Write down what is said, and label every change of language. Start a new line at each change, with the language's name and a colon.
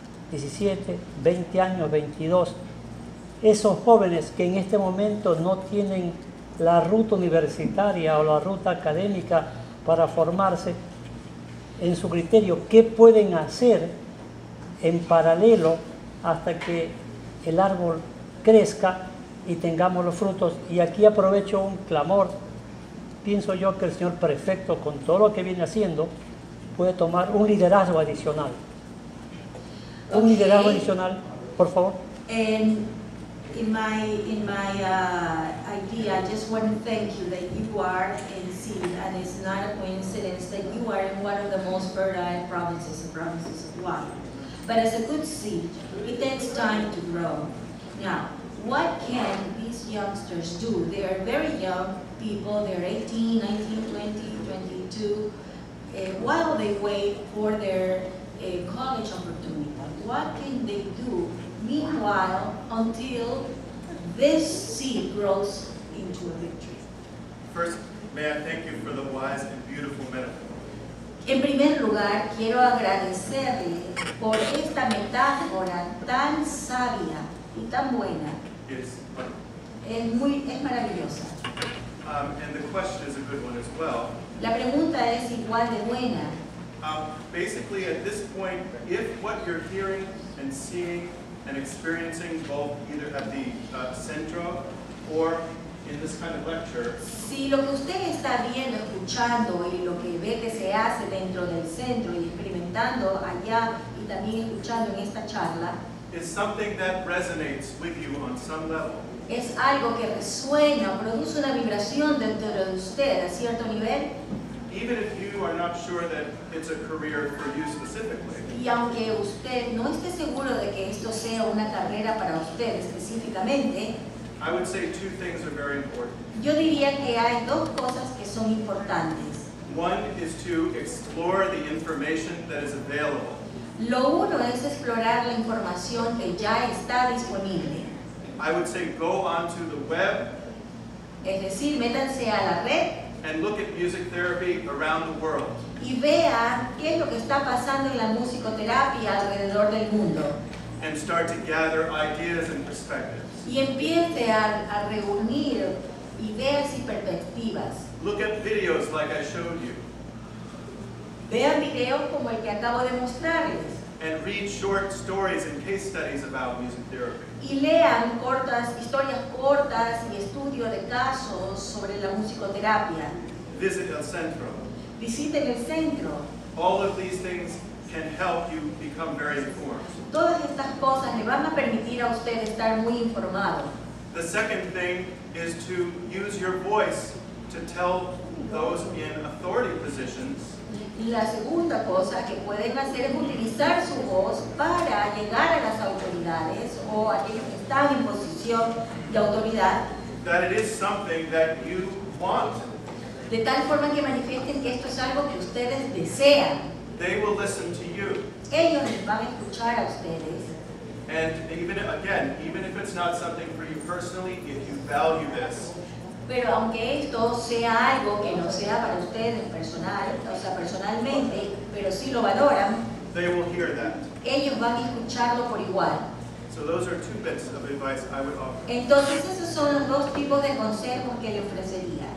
Spanish: 17, 20 años, 22, esos jóvenes que en este momento no tienen la ruta universitaria o la ruta académica para formarse, en su criterio, ¿qué pueden hacer en paralelo hasta que el árbol crezca y tengamos los frutos? Y aquí aprovecho un clamor. Pienso yo que el señor prefecto, con todo lo que viene haciendo, puede tomar un liderazgo adicional.
English: Okay.
Spanish: Un liderazgo adicional, por favor.
English: In my idea, I just want to thank you that you are in seed, and it's not a coincidence that you are in one of the most fertile provinces of Guam. But as a good seed, it takes time to grow. Now, what can these youngsters do? They are very young people, they're 18, 19, 20, 22, while they wait for their college opportunity. What can they do meanwhile until this seed grows into a big tree? First, may I thank you for the wise and beautiful metaphor.
Spanish: En primer lugar, quiero agradecerle por esta metáfora tan sabia y tan buena. Es maravillosa.
English: And the question is a good one as well.
Spanish: La pregunta es igual de buena.
English: Basically, at this point, if what you're hearing and seeing and experiencing both either at the centro or in this kind of lecture,
Spanish: si lo que usted está viendo, escuchando, y lo que ve que se hace dentro del centro y experimentando allá y también escuchando en esta charla,
English: is something that resonates with you on some level.
Spanish: Es algo que resuena, produce una vibración dentro de usted a cierto nivel.
English: Even if you are not sure that it's a career for you specifically.
Spanish: Y aunque usted no esté seguro de que esto sea una carrera para usted específicamente,
English: I would say two things are very important.
Spanish: Yo diría que hay dos cosas que son importantes.
English: One is to explore the information that is available.
Spanish: Lo uno es explorar la información que ya está disponible.
English: I would say go onto the web.
Spanish: Es decir, métanse a la red.
English: And look at music therapy around the world.
Spanish: Y vea qué es lo que está pasando en la musicoterapia alrededor del mundo.
English: And start to gather ideas and perspectives.
Spanish: Y empiece a reunir ideas y perspectivas.
English: Look at videos like I showed you.
Spanish: Vea videos como el que acabo de mostrarles.
English: And read short stories and case studies about music therapy.
Spanish: Y lean cortas, historias cortas y estudios de casos sobre la musicoterapia.
English: Visit el centro.
Spanish: Visiten el centro.
English: All of these things can help you become very informed.
Spanish: Todas estas cosas le van a permitir a usted estar muy informado.
English: The second thing is to use your voice to tell those in authority positions.
Spanish: La segunda cosa que pueden hacer es utilizar su voz para llegar a las autoridades o a aquellos que están en posición de autoridad.
English: That it is something that you want.
Spanish: De tal forma que manifiesten que esto es algo que ustedes desean.
English: They will listen to you.
Spanish: Ellos les van a escuchar a ustedes.
English: And even, again, even if it's not something for you personally, if you value this.
Spanish: Pero aunque esto sea algo que no sea para ustedes personal, o sea, personalmente, pero sí lo valoran,
English: they will hear that.
Spanish: Ellos van a escucharlo por igual.
English: So those are two bits of advice I would offer.
Spanish: Entonces, esos son los dos tipos de consejos que le ofrecería.